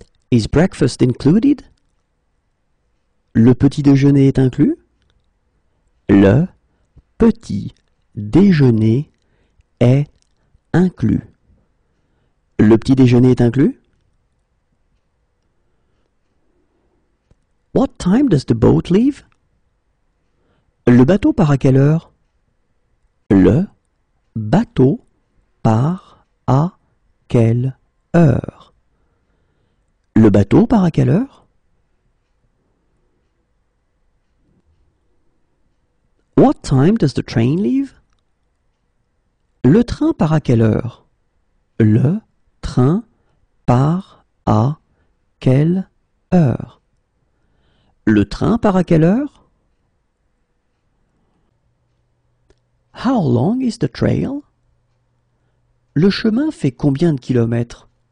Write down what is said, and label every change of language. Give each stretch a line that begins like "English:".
English: Is breakfast included?
French: Le petit déjeuner est inclus? Le petit déjeuner est inclus. Le petit déjeuner est inclus?
English: What time does the boat leave?
French: Le bateau part à quelle heure? Le bateau part à quelle heure? Le bateau part à quelle heure?
English: What time does the train leave?
French: Le train part à quelle heure? Le train part à quelle heure? Le train part à quelle heure?
English: How long is the trail?
French: Le chemin fait combien de kilomètres?